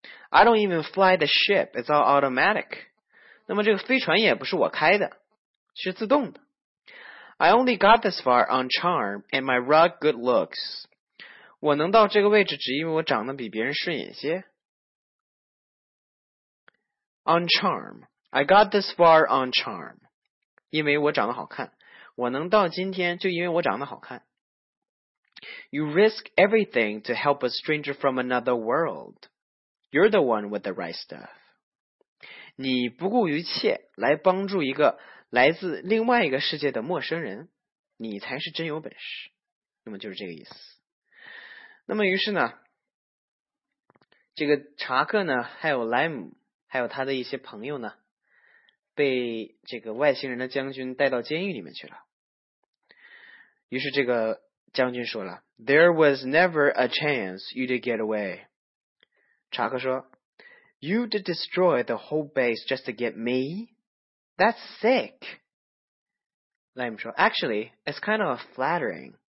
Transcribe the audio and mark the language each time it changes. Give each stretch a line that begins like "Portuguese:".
English: I don't even fly the ship, it's all automatic.
Chinese: 那么这个飞船也不是我开的，是自动的。
English: I only got this far on charm and my rug good looks.
Chinese: 我能到这个位置只因为我长得比别人顺眼些。
English: On charm, I got this far on charm.
Chinese: 因为我长得好看，我能到今天就因为我长得好看。
English: You risk everything to help a stranger from another world. You're the one with the right stuff.
Chinese: 你不顾一切来帮助一个来自另外一个世界的陌生人，你才是真有本事。那么就是这个意思。那么于是呢，这个查克呢，还有莱姆，还有他的一些朋友呢，被这个外星人的将军带到监狱里面去了。于是这个将军说了
English: There was never a chance you'd get away.
Chinese: 查克说
English: You'd destroy the whole base just to get me? That's sick.
Chinese: 莱姆说
English: Actually, it's kind of flattering.